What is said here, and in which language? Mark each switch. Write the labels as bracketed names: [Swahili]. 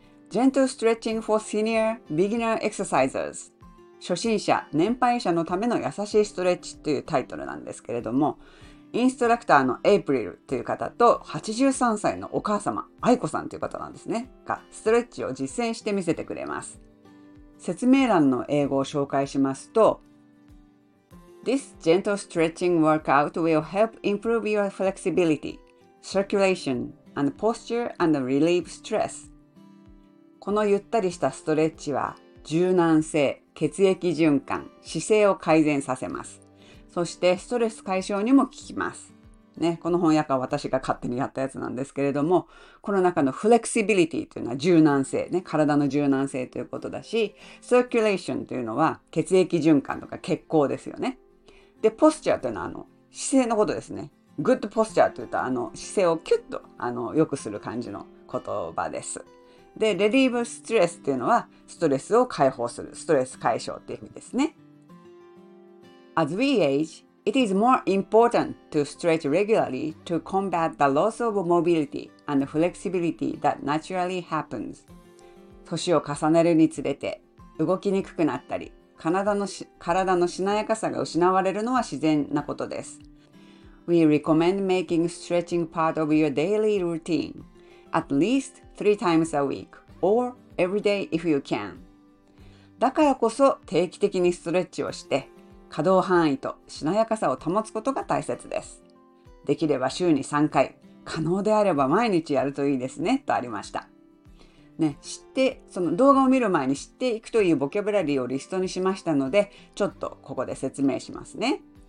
[English] Gentle Stretching for Senior Beginner Exercisers、 [Japanese] 初心者、年配者のための優しいストレッチというタイトルなんですけれども、インストラクターのエイプリルという方と83歳のお母様、愛子さんという方なんですね、がストレッチを実践して見せてくれます。説明欄の英語を紹介しますと、 [English] This gentle stretching workout will help improve your flexibility, circulation, and posture and relieve stress。 [Japanese] このゆったりしたストレッチは柔軟性、血液循環、姿勢を改善させます。そしてストレス解消にも効きます。ね、この翻訳は私が勝手にやったやつなんですけれども、この中のフレキシビリティというのは柔軟性、ね、体の柔軟性ということだし、サーキュレーションというのは血液循環とか血行ですよね。で、ポスチャーというのはあの姿勢のことですね。グッドポスチャーというとあの姿勢をキュッとあの良くする感じの言葉です。で、レリーブストレスっていうのはストレスを解放する、ストレス解消っていう意味ですね。 [English] As we age, it is more important to stretch regularly to combat the loss of mobility and flexibility that naturally happens. [Japanese] 年を重ねるにつれて動きにくくなったり、体のしなやかさが失われるのは自然なことです。 [English] We recommend making stretching part of your daily routineAt least three times a week or every day if you can. [Japanese] だからこそ定期的にストレッチをして可動範囲としなやかさを保つことが大切です。できれば週に3回、可能であれば毎日やるといいですねとありました。ね、知ってその動画を見る前に知っていくというボキャブラリーをリストにしましたので、ちょっとここで説明しますね。